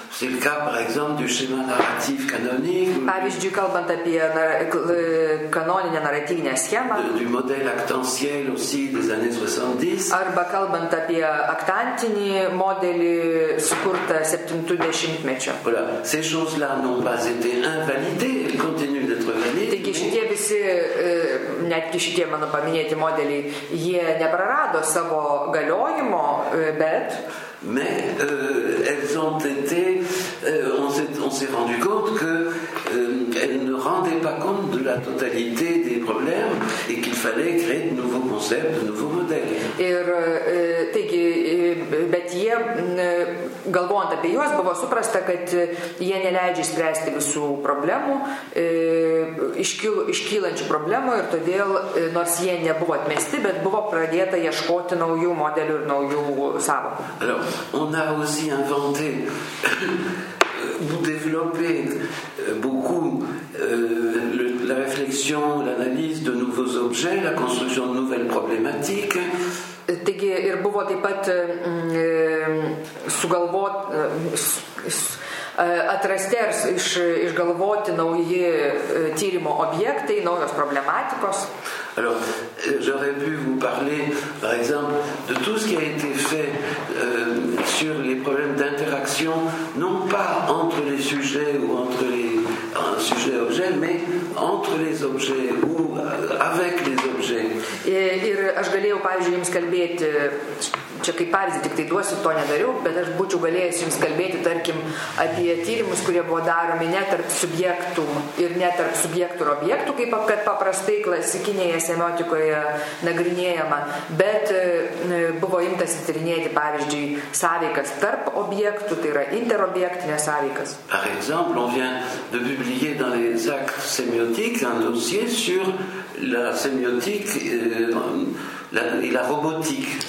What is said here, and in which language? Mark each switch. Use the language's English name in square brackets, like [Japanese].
[French] C'est le cas, par exemple, du schéma narratif canonique. [Lithuanian] Pavyzdžiui, kalbant apie kanoninę naratyvinę schemą. [French] Du modèle actantiel aussi des années 70. [Lithuanian] Arba kalbant apie actantinį modelį sukurtą 70-mečio. [French] Voilà. Ces choses-là n'ont pas été invalidées, elles continuent d'être valides. [Lithuanian] Taigi šitie visi, netgi šitie mano paminėti modeliai, jie neprarado savo galiojimo, bet... [French] Mais elles ont été, on s'est rendu compte que elles ne rendaient pas compte de la totalité des problèmes et qu'il fallait créer de nouveaux concepts, de nouveaux modèles. [Lithuanian] Ir taigi, bet jie, galvojant apie juos, buvo suprasta, kad jie neleidžia spręsti visų problemų, iškylančių problemų ir todėl, nors jie nebuvo atmesti, bet buvo pradėta ieškoti naujų modelių ir naujų sąvokų. [French] On a aussi inventé ou développé beaucoup la réflexion, l'analyse de nouveaux objets, la construction de nouvelles problématiques. [Lithuanian] Taigi, ir buvo taip pat atrasti ar išgalvoti nauji tyrimo objektai, naujos problematikos. [French] Alors, j'aurais pu vous parler, par exemple, de tout ce qui a été fait sur les problèmes d'interaction, non pas entre les sujets ou entre les sujets-objets, mais entre les objets ou avec les objets. [Lithuanian] Ir aš galėjau, pavyzdžiui, jums kalbėti, čia kaip pavyzdį tik tai duosiu, to nedariau, bet aš būčiau galėjęs jums kalbėti, tarkim, apie tyrimus, kurie buvo daromi ne tarp subjektų ir ne tarp subjektų ir objektų, kaip kad paprastai klasikinėje semiotikoje nagrinėjama, bet buvo imtas įtyrinėti, pavyzdžiui, sąveikas tarp objektų, tai yra interobjektinės sąveikas. [French] Par exemple, on vient de publier dans les actes sémiotiques un dossier sur la sémiotique la robotique.